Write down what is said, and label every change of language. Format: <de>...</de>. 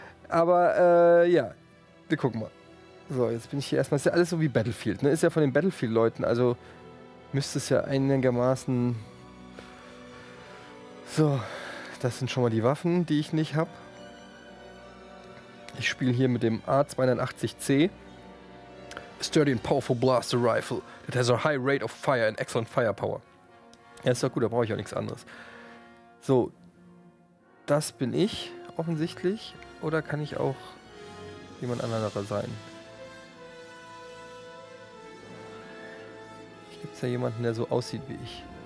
<de>Aber ja, wir gucken mal. So, jetzt bin ich hier erstmal. Ist ja alles so wie Battlefield, ne? Ist ja von den Battlefield-Leuten, also müsste es ja einigermaßen. So, das sind schon mal die Waffen, die ich nicht habe. Ich spiele hier mit dem A-82C.</de> <en>Sturdy and powerful blaster rifle that has a high rate of fire and excellent firepower.</en> <de>Ja, ist doch gut, da brauche ich auch nichts anderes. So, das bin ich offensichtlich. Oder kann ich auch jemand anderer sein? Gibt es da jemanden, der so aussieht wie ich?</de>